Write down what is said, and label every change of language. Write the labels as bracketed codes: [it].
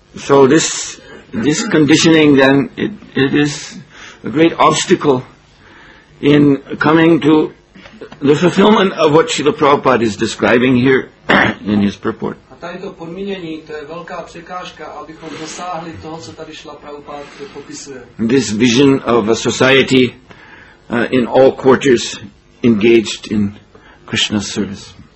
[en] So this conditioning then, it is a great obstacle in coming to the fulfillment of what Srila Prabhupada is describing here in his purport. [cs] A tady to podmínění, to je velká překážka, abychom dosáhli toho, co tady Srila Prabhupada popisuje. [en] This vision of a society in all quarters engaged in Krishna's service.